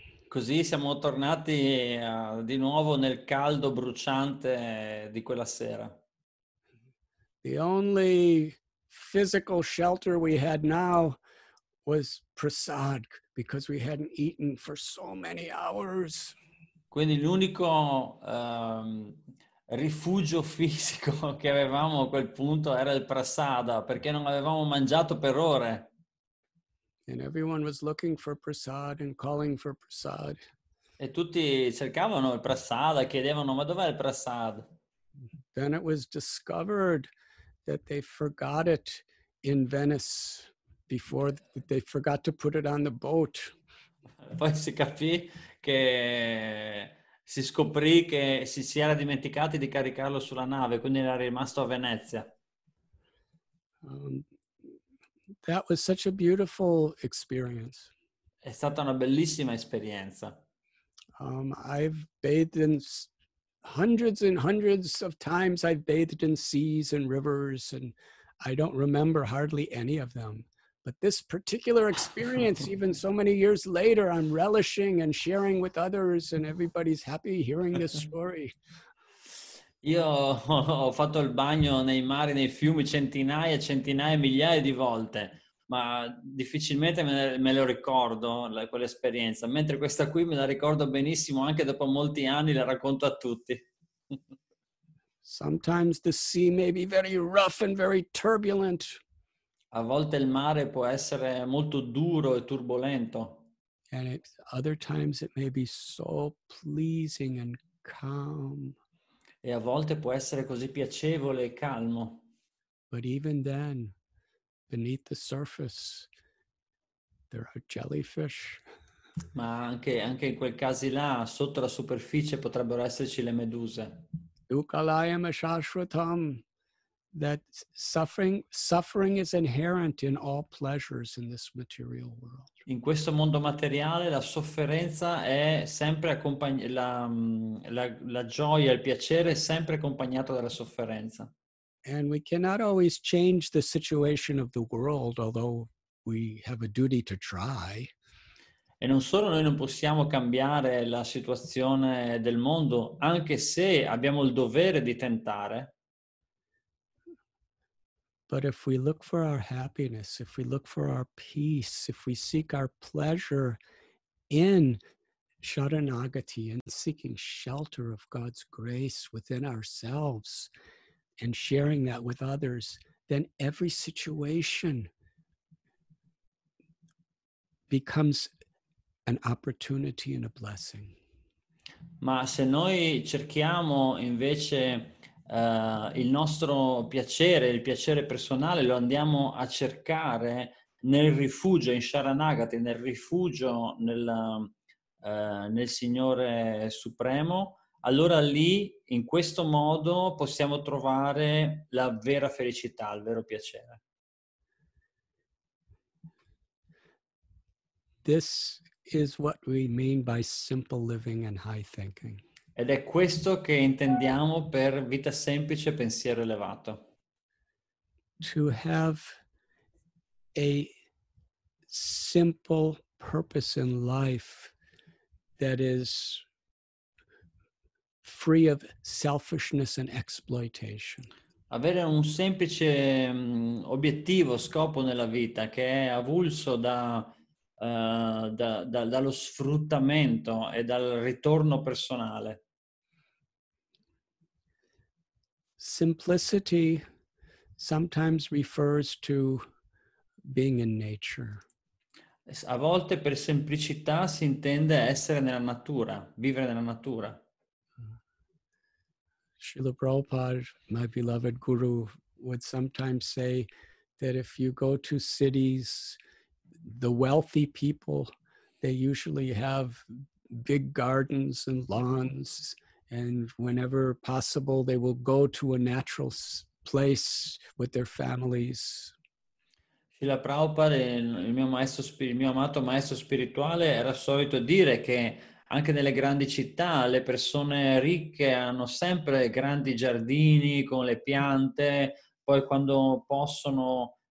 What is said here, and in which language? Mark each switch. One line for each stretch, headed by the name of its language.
Italian: così siamo tornati di nuovo nel caldo bruciante di quella sera.
English: The only physical shelter we had now was prasad, because we hadn't eaten for so many hours.
Italian: Quindi l'unico rifugio fisico che avevamo a quel punto era il prasada, perché non avevamo mangiato per ore.
English: And everyone was looking for prasad and calling for prasad.
Italian: E tutti cercavano il prasada, chiedevano: ma dov'è il prasad?
English: Then it was discovered that they forgot it in Venice before they forgot to put it on the boat.
Italian: Poi si capì che si scoprì che si era dimenticati di caricarlo sulla nave, quindi era rimasto a Venezia.
English: That was such a beautiful experience.
Italian: È stata una bellissima esperienza.
English: I've bathed in hundreds and hundreds of times. I've bathed in seas and rivers, and I don't remember hardly any of them. But this particular experience, even so many years later, I'm relishing and sharing with others, and everybody's happy hearing this story.
Italian: Io ho fatto il bagno nei mari, nei fiumi, centinaia, centinaia, migliaia di volte, ma difficilmente me lo ricordo, quell'esperienza. Mentre questa qui me la ricordo benissimo, anche dopo molti anni la racconto a tutti.
English: Sometimes the sea may be very rough and very turbulent.
Italian: A volte il mare può essere molto duro e turbolento.
English: And other times it may be so pleasing and calm.
Italian: E a volte può essere così piacevole e calmo.
English: But even then, beneath the surface, there are jellyfish.
Italian: Ma anche in quel caso là, sotto la superficie potrebbero esserci le meduse.
Sanskrit: Ukalayam ashashvatam,
English: that suffering is inherent in all pleasures in this material world.
Italian: In questo mondo materiale la sofferenza è sempre la gioia, il piacere è sempre accompagnato dalla sofferenza.
English: And we cannot always change the situation of the world, although we have a duty to try.
Italian: E non solo noi non possiamo cambiare la situazione del mondo, anche se abbiamo il dovere di tentare.
English: But if we look for our happiness, if we look for our peace, if we seek our pleasure in Sharanagati, in seeking shelter of God's grace within ourselves and sharing that with others, then every situation becomes an opportunity and a blessing.
Italian: Ma se noi cerchiamo invece il nostro piacere, il piacere personale, lo andiamo a cercare nel rifugio, in Sharanagati, nel rifugio nel Signore Supremo, allora lì, in questo modo, possiamo trovare la vera felicità, il vero piacere.
English: This is what we mean by simple living and high thinking.
Italian: Ed è questo che intendiamo per vita semplice, pensiero elevato.
English: To have a simple purpose in life that is free of selfishness and exploitation.
Italian: Avere un semplice obiettivo, scopo nella vita che è avulso dallo sfruttamento e dal ritorno personale.
English: Simplicity sometimes refers to being in nature.
Italian: A volte per semplicità si intende essere nella natura, vivere nella natura.
English: Srila Prabhupada, my beloved guru, would sometimes say that if you go to cities, the wealthy people, they usually have big gardens and lawns. And whenever possible, they will go to a natural place with their families.
Italian: Srila Prabhupada, il mio amato maestro spirituale, era solito dire che anche nelle grandi città le persone ricche hanno sempre grandi giardini con le piante. Poi quando possono